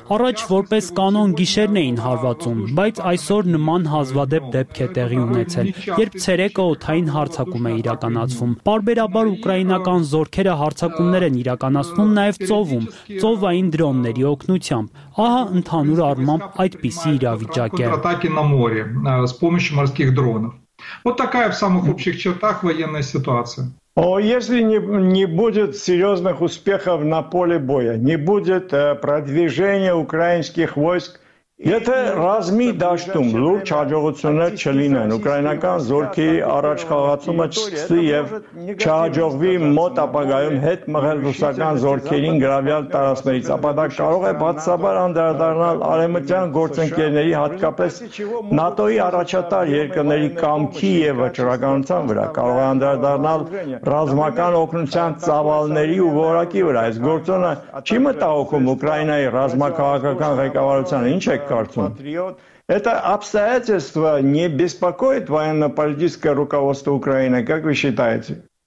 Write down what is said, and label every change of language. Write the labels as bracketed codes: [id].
[hy] առաջ որպես կանոն գիշերն էին հարվածում, բայց այսօր նման հազվադեպ դեպք է տեղի ունեցել, երբ ցերեկը օթային հարձակում է իրականացվում, պարբերաբար ուկրաինական զորքերը հարձակումներ են իրականացնում նաև ծովում, ծովային դրոնների օգնությամբ, ահա ընդհանուր առմամբ այդպիսի իրավիճակ է [ru] на море с помощью морских дронов. Вот такая в самых общих чертах военная ситуация. О, если не будет серьезных успехов на поле боя, не будет продвижения украинских войск [hy] Եթե ռազմի դաշտում լուրջ հաջողություններ չլինեն, ուկրաինական զորքի առաջխաղացումը չսկսվի եւ չհաջողվի մոտ ապագայում հետ մղել ռուսական զորքերին գրավյալ տարածքներից, ապա դա կարող է բացասաբար անդրադառնալ արևմտյան գործընկերների, հատկապես ՆԱՏՕ-ի առաջատար երկրների կամքի եւ վճռականության վրա, կարող է անդրադառնալ ռազմական օգնության ծավալների ու որակի վրա։ Այս գործոնը չի մտահոգում Ուկրաինայի ռազմաքաղաքական ղեկավարության, ինչ [ru] Это обстоятельство не беспокоит военно-политическое руководство Украины, как вы считаете?